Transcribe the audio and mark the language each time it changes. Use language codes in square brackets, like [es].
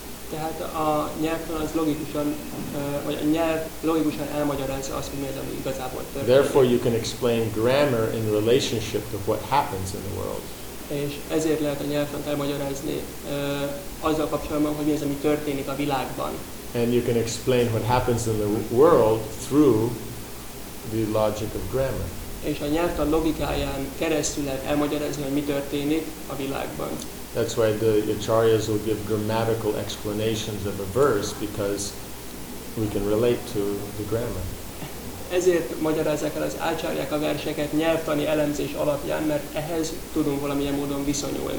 [hu] Tehát a nyelvtan az logikusan, vagy a nyelv logikusan elmagyarázza azt, hogy mi az, ami igazából történik. [en] Therefore, you can explain grammar in relationship to what happens in the world. [hu] És ezért lehet a nyelvtant elmagyarázni azzal kapcsolatban, hogy mi az, ami történik a világban. [en] And you can explain what happens in the world through the logic of grammar. [hu] És a nyelvtan logikáján keresztül lehet elmagyarázni, hogy mi történik a világban. [en] That's why the acharyas will give grammatical explanations of a verse, because we can relate to the grammar. [hu] Ezért magyarázzák el az ácsárják a verseket nyelvtani elemzés alapján, mert ehhez tudunk valamilyen módon viszonyulni.